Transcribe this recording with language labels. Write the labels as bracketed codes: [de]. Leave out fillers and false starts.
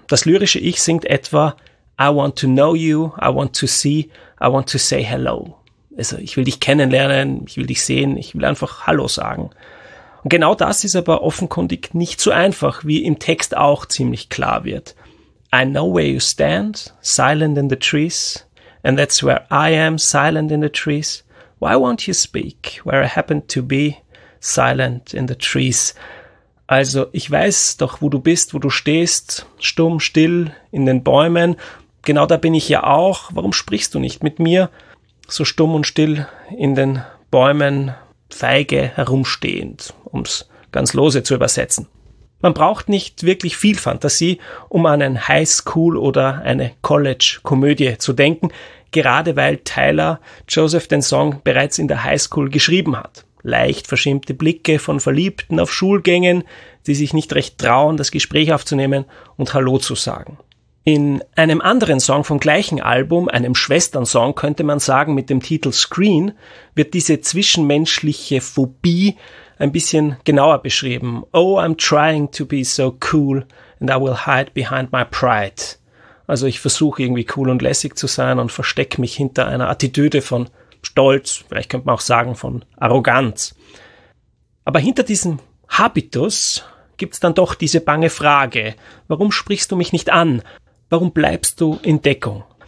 [de] Das lyrische Ich singt etwa [en] I want to know you, I want to see, I want to say hello. [de] Also ich will dich kennenlernen, ich will dich sehen, ich will einfach Hallo sagen. Und genau das ist aber offenkundig nicht so einfach, wie im Text auch ziemlich klar wird. [en] I know where you stand, silent in the trees, and that's where I am, silent in the trees. Why won't you speak, where I happen to be, silent in the trees? [de] Also, ich weiß doch, wo du bist, wo du stehst, stumm, still, in den Bäumen. Genau da bin ich ja auch. Warum sprichst du nicht mit mir, so stumm und still in den Bäumen, feige herumstehend, um es ganz lose zu übersetzen. Man braucht nicht wirklich viel Fantasie, um an ein Highschool- oder eine College-Komödie zu denken, gerade weil Tyler Joseph den Song bereits in der Highschool geschrieben hat. Leicht verschämte Blicke von Verliebten auf Schulgängen, die sich nicht recht trauen, das Gespräch aufzunehmen und Hallo zu sagen. In einem anderen Song vom gleichen Album, einem Schwestern-Song könnte man sagen, mit dem Titel Screen, wird diese zwischenmenschliche Phobie ein bisschen genauer beschrieben. [en] Oh, I'm trying to be so cool and I will hide behind my pride. [de] Also ich versuche irgendwie cool und lässig zu sein und verstecke mich hinter einer Attitüde von Stolz, vielleicht könnte man auch sagen von Arroganz. Aber hinter diesem Habitus gibt's dann doch diese bange Frage. Warum sprichst du mich nicht an? Warum bleibst du in Deckung?